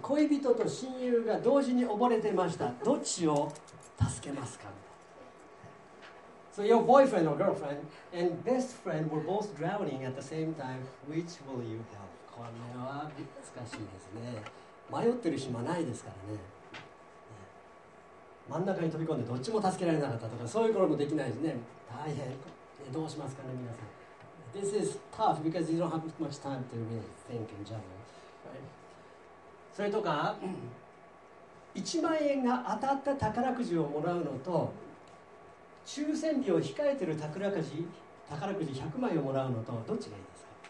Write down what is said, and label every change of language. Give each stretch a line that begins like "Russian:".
Japanese: 恋人と親友が同時に溺れてました。どっちを助けますか
English: So your boyfriend or girlfriend and best friend were both drowning at the same time. Which will you help?
Japanese: これは難しいですね。迷ってる暇ないですからね。真ん中に飛び込んでどっちも助けられなかったとか、そういうこともできないですね。大変。どうしますかね、皆さん。
English: This is tough because you don't have much time to really think and juggle.
Japanese: それとか、1万円が当たった宝くじをもらうのと、抽選日を控えている宝くじ100枚をもらうのとどっちがいいですか？